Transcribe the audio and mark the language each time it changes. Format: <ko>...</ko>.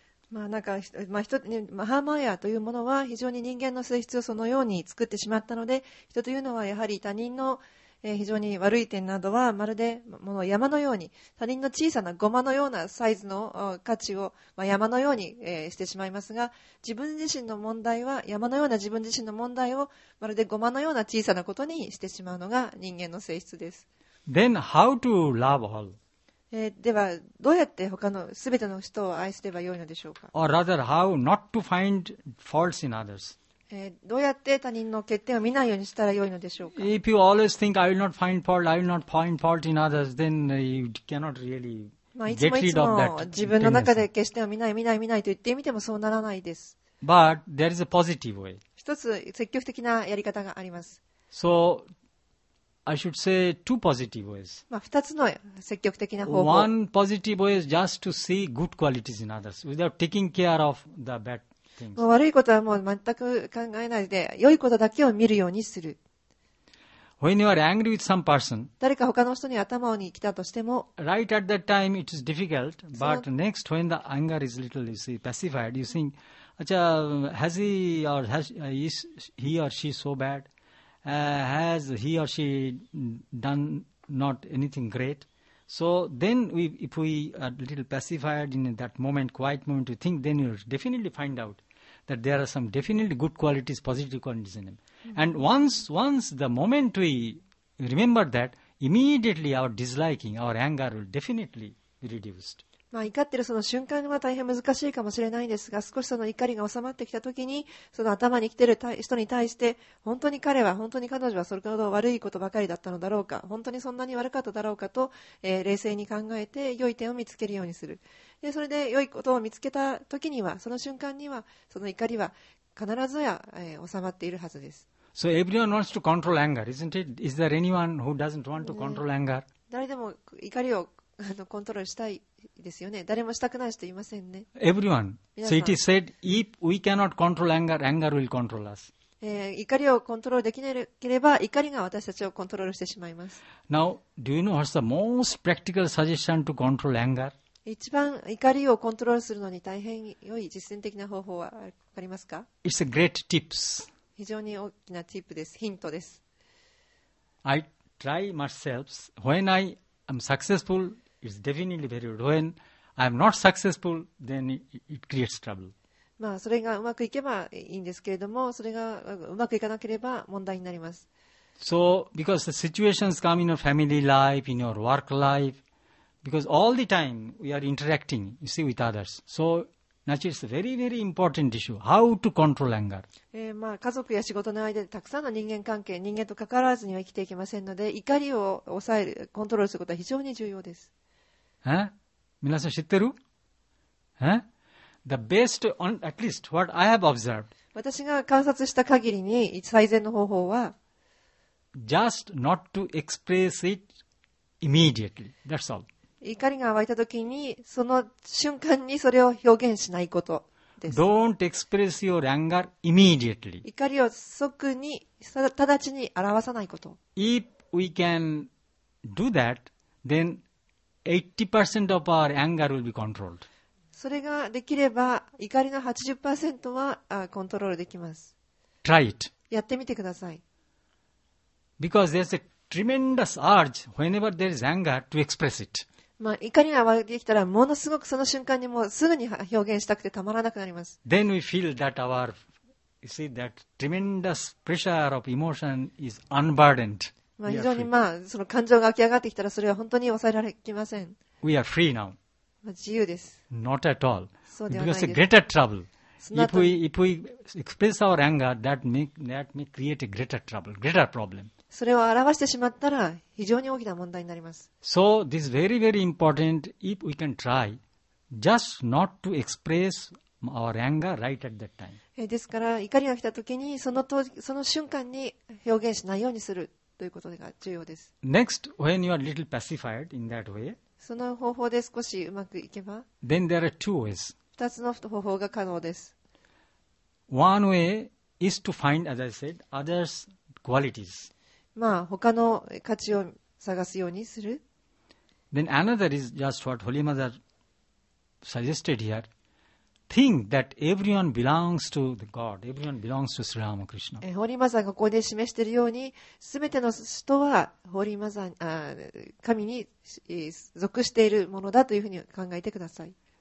<ja>まあなんかまあ、マハマヤというものは非常に人間の性質をそのように作ってしまったので、人というのはやはり他人の非常に悪い点などはまるでもの山のように他人の小さなゴマのようなサイズの価値を山のようにしてしまいますが自分自身の問題は山のような自分自身の問題をまるでゴマのような小さなことにしてしまうのが人間の性質です</ja> <en>Then how to love all?</en> <ja>ではどうやって他のすべての人を愛すればよいのでしょうか</ja> <en>Or rather how not to find faults in others?</en> <ja>どうやって他人の欠点を見ないようにしたらよいのでしょうか</ja> <en>If you always think I will not find fault, I will not find fault in others, then you cannot really get rid of that.</en> <ja>自分の中で欠点を見ないと言ってみてもそうならないです。</ja> <en>But there is a positive way.</en> <ja>一つ積極的なやり方があります。</ja> <en>So, I should say two positive ways.</en> <ja>まあ、二つの積極的な方法。</ja> <en>One positive way is just to see good qualities in others without taking care of the bad.</en> <ja>もう悪いことはもう全く考えないで、良いことだけを見るようにする。</ja> <en>When you are angry with some person,</en> <ja>誰か他の人に頭に来たとしても、</ja> <en>right at that time it is difficult, but next when the anger is little, you see, pacified, you think, has he or is he or she so bad? Has he or she done not anything great? So then if we are a little pacified in that moment, quiet moment, you think, then you'll definitely find out. That there are some definitely good qualities, positive qualities in him. Mm-hmm. And once the moment we remember that, immediately our disliking, our anger will definitely be reduced.</en> <ja>まあ、怒ってるその瞬間は大変難しいかもしれないんですが、少しその怒りが収まってきたときに、その頭に来てる人に対して、本当に彼は、本当に彼女はそれほど悪いことばかりだったのだろうか、本当にそんなに悪かっただろうかと、冷静に考えて良い点を見つけるようにする。で、それで良いことを見つけたときには、その瞬間にはその怒りは必ずや、収まっているはずです。</ja> <en>So everyone wants to control anger, isn't it? Is there anyone who doesn't want to control anger?</en> <ja>誰でも怒りをコントロールしたいですよね。誰もしたくない人いませんね。</ja> <en>Everyone. So it is said, if we cannot control anger, anger will control us.</en> <ja>怒りをコントロールできなければ、怒りが私たちをコントロールしてしまいます。</ja> <en>Now, do you know what's the most practical suggestion to control anger?</en> <ja>一番怒りをコントロールするのに大変良い実践的な方法はありますか？</ja> <en>It's a great tips.</en> <ja>非常に大きなティップです。ヒントです。</ja> <en>I try myself. When I am successful, it's definitely very good. When I am not successful, then it creates trouble.</en> <ja>まあ、それがうまくいけばいいんですけれども、それがうまくいかなければ問題になります。</ja> <en>So, because the situations come in your family life, in your work life, because all the time we are interacting, you see, with others. So,It's a very, very important issue. How to control anger.</en> <ja>まあ、家族や仕事の間でたくさんの人間関係、人間と関わらずには生きていけませんので、怒りを抑える、コントロールすることは非常に重要です。皆さん知ってる？</ja> <en>The best on, at least what I have observed.</en> <ja>私が観察した限りに最善の方法は、</ja> <en>Just not to express it immediately. That's all.</en> <ja>怒りが湧いたときに、その瞬間にそれを表現しないことです。</ja> <en>Don't express your anger immediately.</en> <ja>怒りを即に、直ちに表さないこと。</ja> <en>If we can do that, then 80% of our anger will be controlled.</en> <ja>それができれば、怒りの 80% はコントロールできます。</ja> <en>Try it.</en> <ja>やってみてください。</ja> <en>Because there's a tremendous urge whenever there is anger to express it.</en> <ja>まあ、怒りが湧いてきたらものすごくその瞬間にもうすぐに表現したくてたまらなくなります。</ja> <en>Then we feel that our, you see, that tremendous pressure of emotion is unburdened.</en> <ja>まあ非常にまあその感情が湧き上がってきたらそれは本当に抑えられきません。</ja> <en>We are free now.</en> <ja>まあ自由です。</ja> <en>Not at all.</en> <ja>そうではないです。</ja> <en>Because a greater trouble. If we express our anger, that may create a greater trouble, greater problem.</en> <ja>それを表してしまったら非常に大きな問題になります。</ja> <en>So, this is very, very important if we can try just not to express our anger right at that time.</en> <ja>ですから、怒りが来たときにその瞬間に表現しないようにするということが重要です。</ja> <en>Next, when you are a little pacified in that way,</en> <ja>その方法で少しうまくいけば、</ja> <en>then there are two ways.</en> <ja>2つの方法が可能です。</ja> <en>One way is to find, as I said, others' qualities.</en> <ja>まあ、他の価値を探すようにする。</ja> <en>Then another is just what Holy Mother suggested here. Think that everyone belongs to the God. Everyone belongs to Sri Ramakrishna.</en> <ja>Holy Mother がここで示しているように、すべての人は Holy Mother、神に属しているものだというふうに考えてください。</ja>